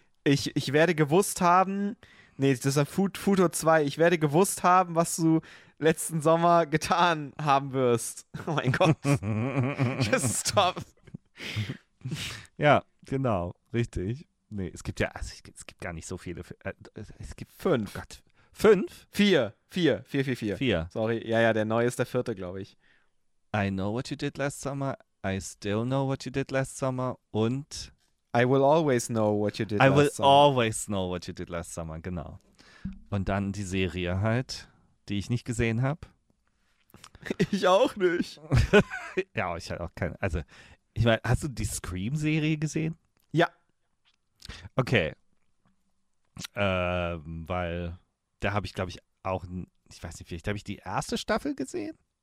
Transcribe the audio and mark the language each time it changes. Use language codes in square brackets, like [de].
[de] Ich werde gewusst haben, nee, das ist ein Futur 2, ich werde gewusst haben, was du letzten Sommer getan haben wirst. Oh mein Gott. [en] Just stop. [de] Ja, genau. Richtig. Nee, es gibt gar nicht so viele. Es gibt fünf. Oh Gott. Fünf? Vier. Sorry. Ja, der neue ist der vierte, glaube ich. [en] I know what you did last summer. I still know what you did last summer. [de] Und? [en] I will always know what you did I last summer. I will always know what you did last summer, genau. [de] Und dann die Serie halt, die ich nicht gesehen habe. Ich auch nicht. Ja, ich halt auch keine. Also, ich meine, hast du die Scream-Serie gesehen? Ja. Okay. Weil da habe ich, glaube ich, auch, ich weiß nicht, vielleicht habe ich die erste Staffel gesehen?